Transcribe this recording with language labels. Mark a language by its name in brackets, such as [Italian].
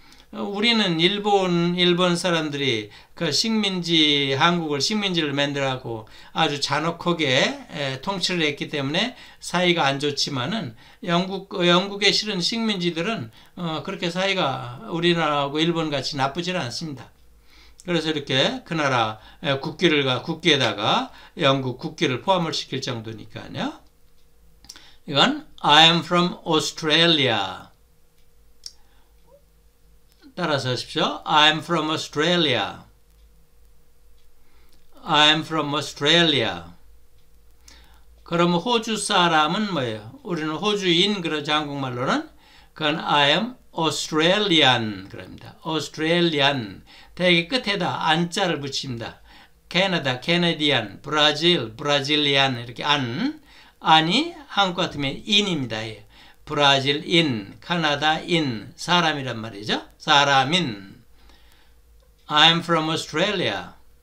[Korean] 우리는 일본 사람들이 그 식민지, 한국을 식민지를 만들어갖고 아주 잔혹하게 통치를 했기 때문에 사이가 안 좋지만은 영국에 실은 식민지들은 그렇게 사이가 우리나라하고 일본 같이 나쁘질 않습니다. 그래서 이렇게 그 나라 국기에다가 영국 국기를 포함을 시킬 정도니까요. 이건 [English] I am from Australia. [Korean] 따라서 하십시오. [English] I am from Australia. I am from Australia. [Korean] 그러면 호주 사람은 뭐예요? 우리는 호주인 그러죠, 한국말로는. 그건 [English] I am Australian [Korean] 그럽니다. [English] Australian. [Korean] 대개 끝에다 안자를 붙입니다. 캐나다, 캐네디안, 브라질, 브라질리안 이렇게 안이 한국 같으면 인입니다. 예. 브라질 인, 캐나다 인, 사람이란 말이죠. 사람인. [English] I'm from Australia.